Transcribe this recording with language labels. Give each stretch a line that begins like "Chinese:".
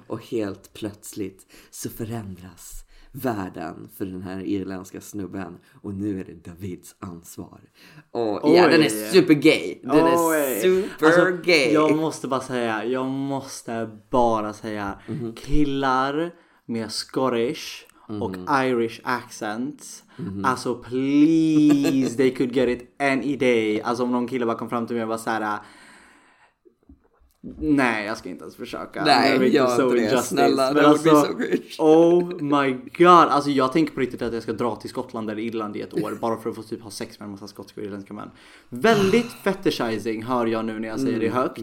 Swedish: Och helt plötsligt så förändras världen för den här irländska snubben. Och nu är det Davids ansvar. Och ja, den är supergay. Den är supergay. Alltså, jag måste bara säga. Jag måste bara säga. Mm-hmm. Killar med
English: Scottish och Irish accents. Mm-hmm.
Swedish: Alltså
English: please, they could get it any day.
Swedish: Alltså om någon kille bara kom fram till mig och bara så här. Nej, jag ska inte ens försöka. Nej, jag gör inte det. Snälla, men det alltså,
English: would be so rich. Oh my god.
Swedish: Alltså jag tänker på riktigt att jag ska dra till Skottland eller Irland i ett år. Bara för att få typ ha sex med en massa skotska och irländska män. Väldigt fetishizing hör jag nu när jag säger det högt.